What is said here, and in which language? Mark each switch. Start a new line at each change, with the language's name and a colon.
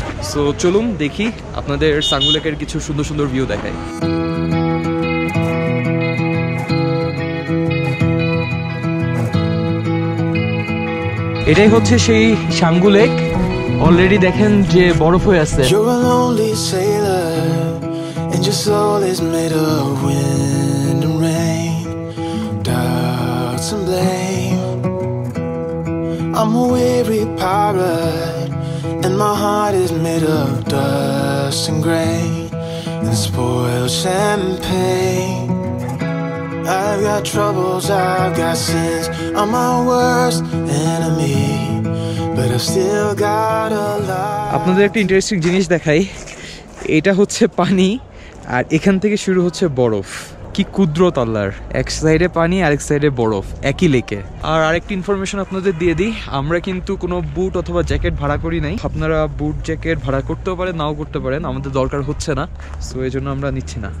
Bangla: So চলুন দেখি আপনাদের সাঙ্গু লেকের কিছু সুন্দর সুন্দর ভিউ দেখাই। এটাই হচ্ছে সেই সাঙ্গু লেক, অলরেডি দেখেন যে বরফ হয়ে আছে।
English: Your soul is made of wind and rain, doubts and blame. I'm a weary pirate, and my heart is made of dust and grain and spoiled champagne. I've got troubles, I've got sins, I'm my worst enemy, but I've still got a lot.
Bangla: আপনাদের একটা interesting জিনিস দেখাই, এটা হচ্ছে পানি আর এখান থেকে শুরু হচ্ছে বরফ, কি কুদরত আল্লাহর! এক সাইডে পানি আরেক সাইডে বরফ একই লেকে। আর আরেকটি ইনফরমেশন আপনাদের দিয়ে দিই, আমরা কিন্তু কোনো বুট অথবা জ্যাকেট ভাড়া করি নাই। আপনারা বুট জ্যাকেট ভাড়া করতেও পারেন নাও করতে পারেন, আমাদের দরকার হচ্ছে না, সো এই জন্য আমরা নিচ্ছি না।